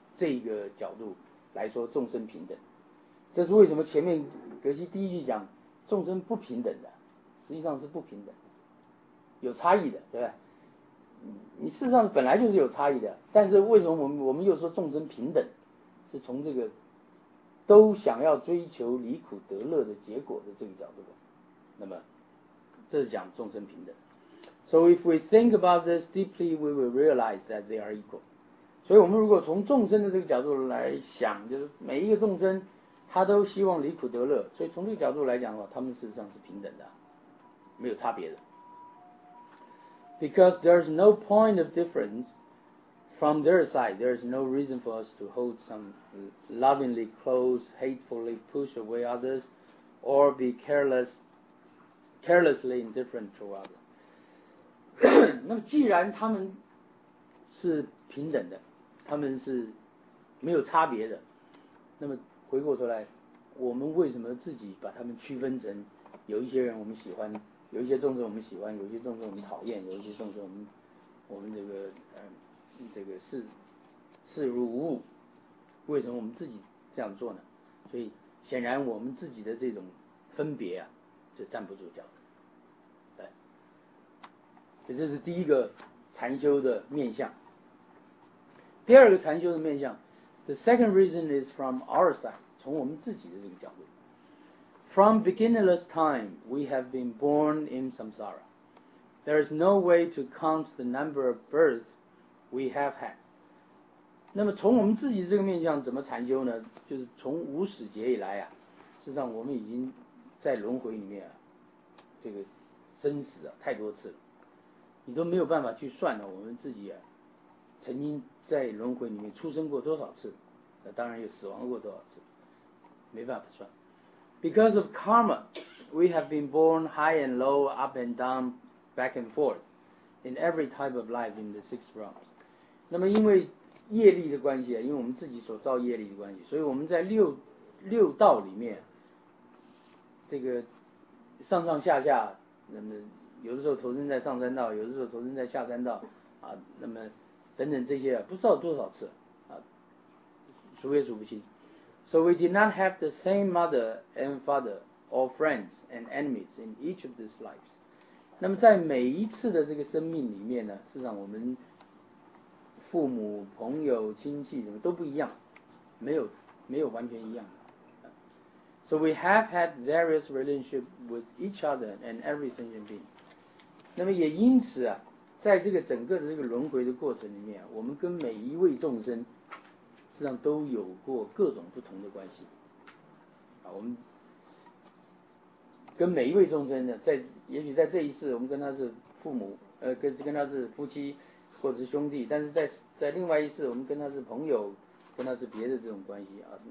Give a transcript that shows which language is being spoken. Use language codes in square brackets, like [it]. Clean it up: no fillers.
[zh] 这一个角度来说众生平等。这是为什么前面格西第一句讲众生不平等的，实际上是不平等，有差异的，对吧？你事实上本来就是有差异的，但是为什么我们又说众生平等，是从这个都想要追求离苦得乐的结果的这个角度。那么这是讲众生平等。 [en] So if we think about this deeply, we will realize that they are equal. [zh] 所以我们如果从众生的这个角度来想，就是每一个众生他都希望离苦得乐，所以从这个角度来讲的话，他们事实上是平等的，没有差别的。 [en] Because there is no point of difference from their side, there is no reason for us to hold some lovingly close, hatefully push away others, or be carelessly indifferent to others. [zh] 那么既然他们是平等的，他们是没有差别的，那么回过头来，我们为什么自己把他们区分成有一些人我们喜欢，有一些众生我们喜欢，有一些众生我们讨厌，有一些众生我们这个这个视如无物，为什么我们自己这样做呢？所以显然我们自己的这种分别啊，是站不住脚的。对，这是第一个禅修的面向。第二个禅修的面向 ， [en] The second reason is from our side， [zh] 从我们自己的这个角度。 [en] From beginningless time, we have been born in samsara. There is no way to count the number of births we have had. [zh] 那么从我们自己这个面向怎么禅修呢？就是从无始劫以来啊，实际上我们已经在轮回里面啊，这个生死啊太多次了，你都没有办法去算了，我们自己啊曾经在轮回里面出生过多少次，那当然又死亡过多少次，没办法算。 [en] Because of karma, we have been born high and low, up and down, back and forth, in every type of life in the six realms. [zh] 那么因为业力的关系，因为我们自己所造业力的关系，所以我们在六道里面，这个上上下下，那么有的时候投身在上三道，有的时候投身在下三道，啊，那么等等这些不知道多少次，啊，数也数不清。 [en] So we did not have the same mother and father, or friends and enemies in each of these lives. [zh] 那么在每一次的这个生命里面呢，事实上我们父母、朋友、亲戚什么都不一样，没有完全一样的。 [en] So we have had various relationships with each other and every sentient being. [zh] 那么也因此啊，在这个整个的这个轮回的过程里面，我们跟每一位众生实际上都有过各种不同的关系，啊，我们跟每一位众生呢，在也许在这一世，我们跟他是父母，跟他是夫妻，或者是兄弟，但是在另外一世，我们跟他是朋友，跟他是别的这种关系啊。